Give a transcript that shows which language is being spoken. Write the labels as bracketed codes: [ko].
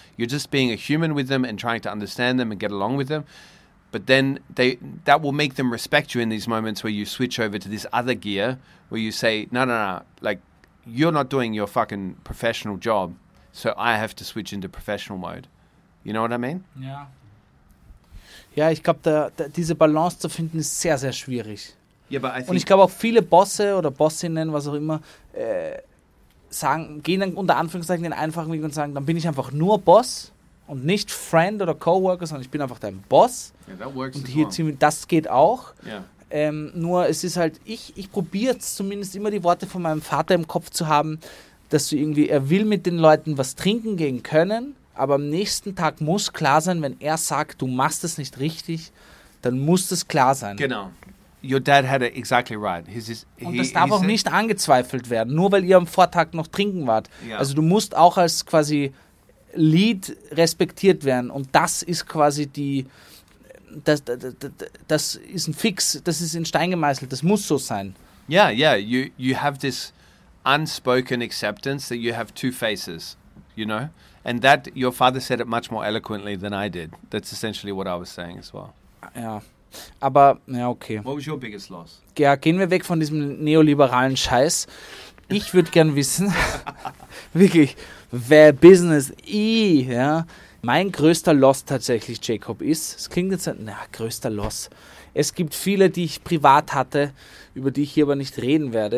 [en] You're just being a human with them and trying to understand them and get along with them. But then that will make them respect you in these moments where you switch over to this other gear where you say, no, like, you're not doing your fucking professional job, so I have to switch into professional mode. You know what I mean? [de] Ja, ich glaube, diese Balance zu finden ist sehr, sehr schwierig. [en] Yeah, but I think, [de] und ich glaube auch viele Bosse oder Bossinnen, was auch immer, gehen dann unter Anführungszeichen den einfachen Weg und sagen, dann bin ich einfach nur Boss und nicht Friend oder Coworker, sondern ich bin einfach dein Boss. [en] Yeah, that works [de] und hier ziemlich, das geht auch. [en] Yeah. [de] Nur es ist halt, ich probiere zumindest immer die Worte von meinem Vater im Kopf zu haben, dass du irgendwie, er will mit den Leuten was trinken gehen können, aber am nächsten Tag muss klar sein, wenn er sagt, du machst es nicht richtig, dann muss das klar sein. [en] Genau. Your dad had it exactly right. [de] Das darf auch nicht angezweifelt werden, nur weil ihr am Vortag noch trinken wart. Yeah. Also du musst auch als quasi Lead respektiert werden. Und das ist quasi das ist ein Fix, das ist in Stein gemeißelt, das muss so sein. [en] Yeah, yeah, you have this unspoken acceptance that you have two faces, you know? And that, your father said it much more eloquently than I did. That's essentially what I was saying as well. [de] Ja, aber, ja, okay. [en] What was your biggest loss? [de] Ja, gehen wir weg von diesem neoliberalen Scheiß. Ich würde gern wissen, wirklich, wer Business, ja. Mein größter Loss tatsächlich, Jacob, ist, es klingt jetzt, na, größter Loss. Es gibt viele, die ich privat hatte, über die ich hier aber nicht reden werde.